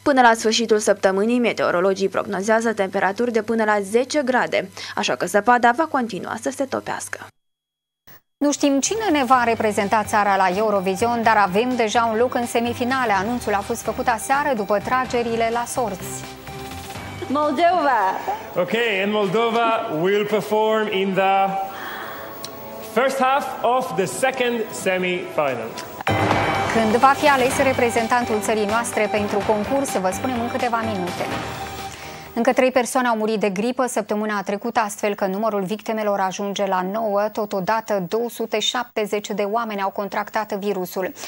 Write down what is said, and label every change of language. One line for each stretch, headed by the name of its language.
Romanian: Până la sfârșitul săptămânii, meteorologii prognozează temperaturi de până la 10 grade, așa că zăpada va continua să se topească. Nu știm cine ne va reprezenta țara la Eurovision, dar avem deja un loc în semifinale. Anunțul a fost făcut aseară după tragerile la sorți. Moldova!
English: Ok, and Moldova will perform in the first half of the second semi-final.
Romanian: Când va fi ales reprezentantul țării noastre pentru concurs, vă spunem în câteva minute. Încă 3 persoane au murit de gripă săptămâna trecută, astfel că numărul victimelor ajunge la 9. Totodată, 270 de oameni au contractat virusul.